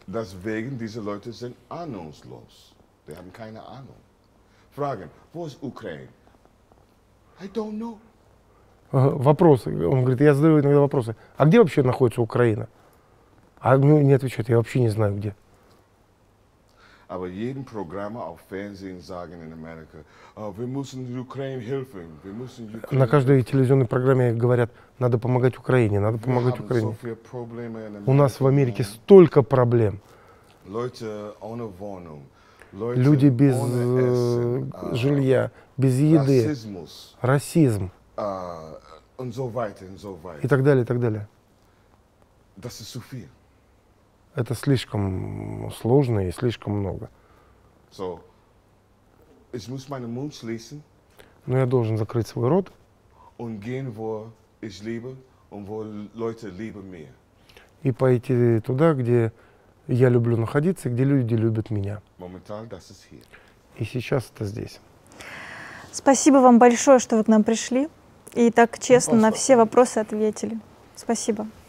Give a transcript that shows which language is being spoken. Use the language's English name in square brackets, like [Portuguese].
[German] Das wegen diese Leute sind ahnungslos. Die haben keine Ahnung. Fragen, wo ist Ukraine? [English] I don't know. [Russian] Вопросы. Он говорит, я задаю иногда вопросы. А где вообще находится Украина? А мне не отвечают, я вообще не знаю где. [German] Aber jeden Programme auf Fernsehen sagen in Amerika, wir müssen Ukraine helfen. Wir müssen Ukraine. [Russian] На каждой телевизионной программе говорят, надо помогать Украине, надо помогать Украине. У нас в Америке столько проблем. [German] Leute ohne Wohnung. [Russian] Люди без жилья, без еды. [German] Rassismus. [Russian] Расизм. [German] Und so weiter, und so weiter. [Russian] И так далее, и так далее. [German] Das ist zu viel. [Russian] Это слишком сложно и слишком много. [German] So, ich muss meinen Mund schließen. [Russian] Но я должен закрыть свой рот. [German] Und gehen, wo ich liebe, und wo Leute lieben mir. [Russian] И пойти туда, где я люблю находиться, где люди любят меня. [German] Momentan, das ist hier. [Russian] И сейчас это здесь. Спасибо вам большое, что вы к нам пришли и так честно на все вопросы ответили. Спасибо.